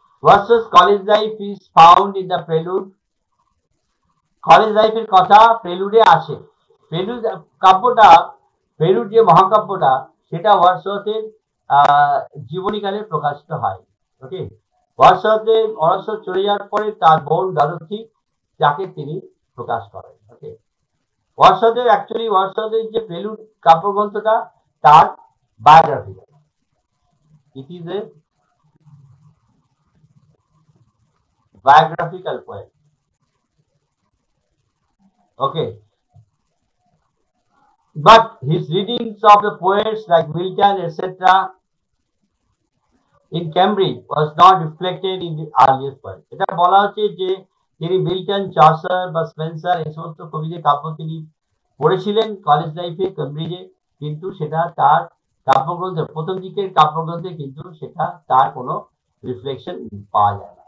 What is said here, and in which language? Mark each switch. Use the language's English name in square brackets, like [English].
[English] ওয়ার্সস college life is found in the প্রেলুড, [Bangla] college লাইফের কথা প্রেলুডে আছে, প্রেলুড কাব্যটা, প্রেলুড যে মহাকাব্যটা সেটা ওয়ার্সসের জীবনীকালে প্রকাশিত হয়, ওকে, ওয়ার্সসের অরস চলে যাওয়ার পরে তার বোন ডরোথি যাকে তিনি প্রকাশ করেন, ওকে, ওয়ার্সসের অ্যাকচুয়ালি ওয়ার্সসের যে প্রেলুড কাব্যগ্রন্থটা তার biography, [English] It is a biographical poem. Okay. But his readings of the poets like Milton, etc., in Cambridge was not reflected in the earliest poem. [Bangla] এটা বলা হচ্ছে যে তিনি মিল্টন, চাসার বা স্পেন্সার এই সমস্ত কবিদের কাব্য তিনি পড়েছিলেন কলেজ লাইফে কেমব্রিজে, কিন্তু সেটা তার কাব্যগ্রন্থে, প্রথম দিকের কাব্যগ্রন্থে কিন্তু সেটা তার কোনো রিফ্লেকশন পাওয়া যায় না।